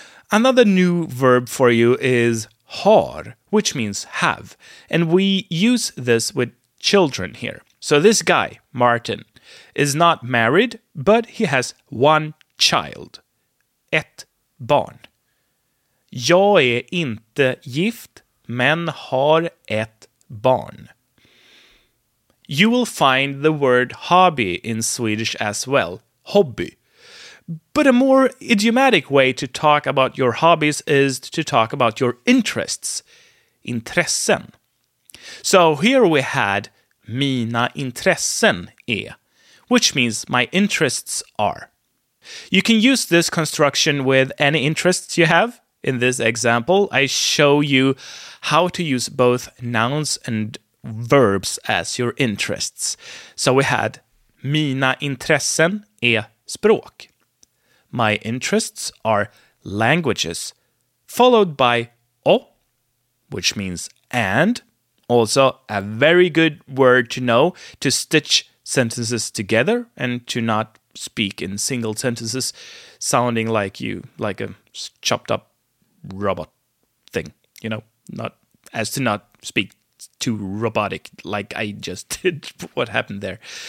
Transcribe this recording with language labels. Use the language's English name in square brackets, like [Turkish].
[English] Another new verb for you is har, which means have. And we use this with children here. So this guy, Martin, is not married, but he has one child. [Swedish] Ett barn. Jag är inte gift, men har ett barn. [English] You will find the word hobby in Swedish as well, hobby. But a more idiomatic way to talk about your hobbies is to talk about your interests. intressen. So here we had [Swedish] mina intressen är, [English] which means my interests are. You can use this construction with any interests you have. In this example, I show you how to use both nouns and verbs as your interests. So we had [Swedish] mina intressen är språk. [English] My interests are languages, followed by o, which means and. Also, a very good word to know to stitch sentences together and to not speak in single sentences sounding like you, like a chopped up robot thing, you know, not as to not speak too robotic like I just did. What happened there?